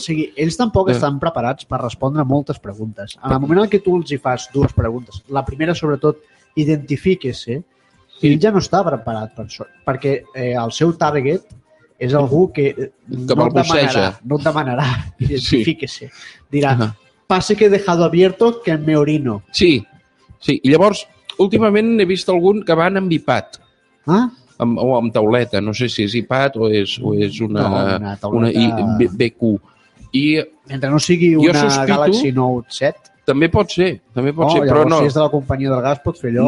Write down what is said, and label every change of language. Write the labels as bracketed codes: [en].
[ca] O sigui, ells tampoc estan preparats per respondre moltes preguntes. En el moment en què tu els hi fas dues preguntes, la primera, sobretot, identifiques-se, sí, ell ja no està preparat per això, perquè el seu target és algú que no, et demanarà, identifique-se. Sí. [es] Dirà, pase que he dejado abierto que me orino. [ca] Sí, sí. I llavors, últimament he vist algun que va amb iPad. O amb tauleta, no sé si és iPad o és una BQ. I mentre no sigui una Galaxy Note 7. També pot ser, però no. Si és de la companyia del gas, pot fer allò?